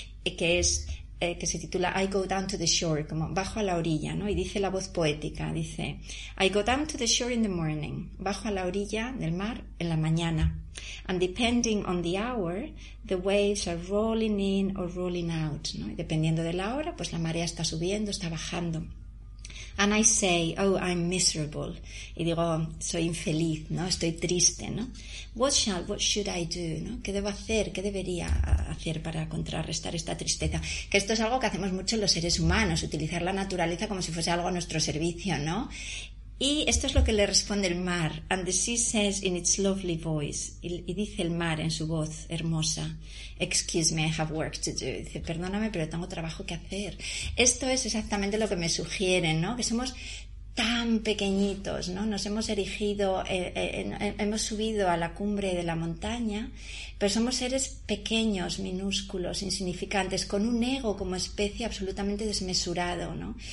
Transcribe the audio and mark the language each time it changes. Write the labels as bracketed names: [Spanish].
[Spanish] Que se titula [English] I go down to the shore, [Spanish] como bajo a la orilla, ¿no? Y dice la voz poética, dice [English] I go down to the shore in the morning, [Spanish] bajo a la orilla del mar en la mañana. [English] And depending on the hour, the waves are rolling in or rolling out, [Spanish] ¿no? Y dependiendo de la hora, pues la marea está subiendo, está bajando. [English] And I say, oh, I'm miserable. [Spanish] Y digo, soy infeliz, ¿no? Estoy triste, ¿no? [English] What should I do, [Spanish] ¿no? ¿Qué debo hacer? ¿Qué debería hacer para contrarrestar esta tristeza? Que esto es algo que hacemos mucho los seres humanos, utilizar la naturaleza como si fuese algo a nuestro servicio, ¿no? Y esto es lo que le responde el mar. [English] And the sea says in its lovely voice, [Spanish] y dice el mar en su voz hermosa, [English] excuse me, I have work to do. [Spanish] Dice, perdóname, pero tengo trabajo que hacer. Esto es exactamente lo que me sugieren, ¿no? Que somos tan pequeñitos, ¿no? Nos hemos erigido, hemos subido a la cumbre de la montaña, pero somos seres pequeños, minúsculos, insignificantes, con un ego como especie absolutamente desmesurado, ¿no?